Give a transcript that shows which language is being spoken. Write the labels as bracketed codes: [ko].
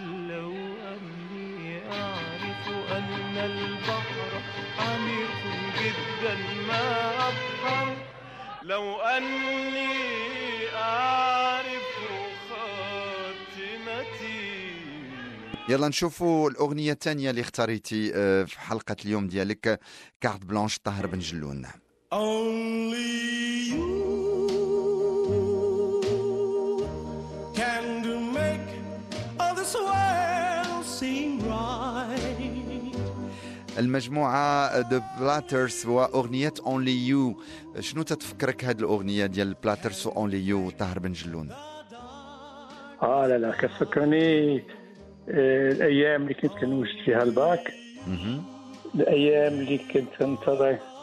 [ar] لو أني أعرف أن البحر عميق جدا ما أبحر لو أني أعرف خاتمتي. يلا نشوفوا الأغنية الثانية اللي اختاريتي في حلقة اليوم ديالك كارت بلانش طاهر بن جلون. [en] Only you can make all this world seem right. [ar] المجموعة The Platters وأغنية Only You. شنو تتفكرك هذه الأغنية ديال Platters و Only You طاهر بن جلون؟ لا لا كتفكرني الأيام اللي كنت كنوجد فيها الباك الأيام اللي كنت انتظر